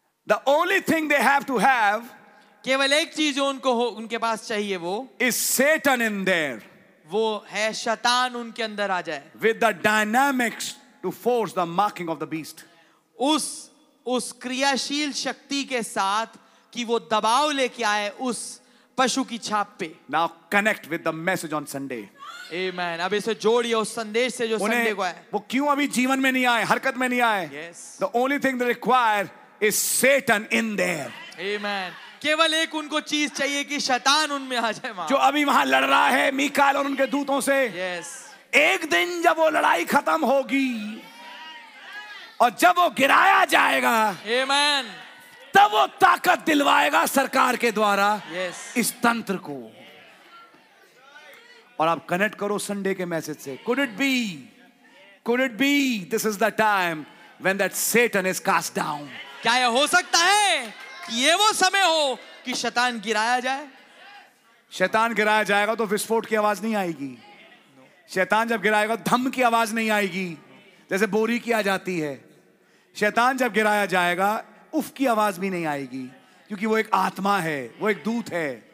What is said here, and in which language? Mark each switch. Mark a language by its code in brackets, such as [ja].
[en] The only thing they have to have, [hi] केवल एक चीज उनको उनके पास चाहिए वो, [en] is Satan in there, [hi] वो है शैतान उनके अंदर आ जाए, [en] with the dynamics to force the marking of the beast, [hi] उस क्रियाशील शक्ति के साथ कि वो दबाव लेके आए उस पशु की छाप पे. [en] Now connect with the message on Sunday. Amen. [hi] अब इसे जोड़िए उस संदेश से जो संडे को आए. वो क्यों अभी जीवन में नहीं आए, हरकत में नहीं आए? [en] Yes. The only thing they require. Is Satan in there? Amen. [hi] केवल एक उनको चीज चाहिए कि शैतान उनमें आ जाए. जो अभी वहां लड़ रहा है मीकाएल और उनके दूतों से. [en] Yes. [hi] एक दिन जब वो लड़ाई खत्म होगी और जब वो गिराया जाएगा. [en] Amen. [hi] तब वो ताकत दिलवाएगा सरकार के द्वारा. [en] Yes. [hi] इस तंत्र को. और आप कनेक्ट करो संडे के मैसेज से. [en] Could it be this is the time when that Satan is cast down? [hi] क्या यह हो सकता है कि ये वो समय हो कि शैतान गिराया जाए? शैतान गिराया जाएगा तो विस्फोट की आवाज नहीं आएगी. शैतान जब गिराएगा धम की आवाज नहीं आएगी, जैसे बोरी की आ जाती है. शैतान जब गिराया जाएगा उफ की आवाज भी नहीं आएगी, क्योंकि वो एक आत्मा है, वो एक दूत है.